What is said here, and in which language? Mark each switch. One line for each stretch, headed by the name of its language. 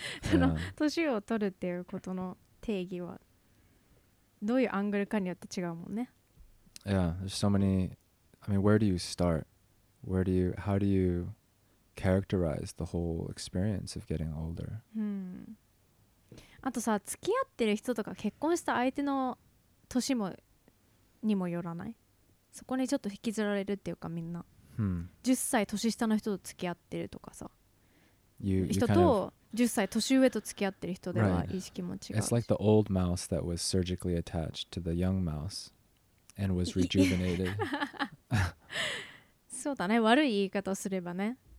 Japanese: その年を取るっていうことの定義はどういうアングルかによって違うもんね。
English: Yeah, there's so many. I mean, where do you start? How do you characterize the whole experience of getting older?
Japanese: あとさ、付き合ってる人とか結婚した相手の年もにもよらない。そこにちょっと引きずられるっていうかみんな。 10 歳年下の人と付き合ってるとかさ。人と10歳年上と付き合ってる人では意識も違う。
English: It's like the old mouse that was surgically attached to the young mouse. And was rejuvenated.
Japanese: そうだね。悪い言い方をすればね。